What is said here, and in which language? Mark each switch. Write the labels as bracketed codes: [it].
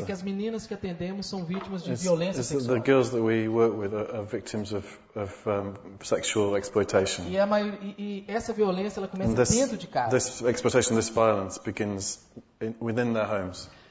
[pt] é que as meninas que atendemos são vítimas de violência sexual. [en] The girls that we work with are victims of sexual exploitation. [pt] E essa violência ela começa dentro de casa. [en] This exploitation, this violence begins within their homes.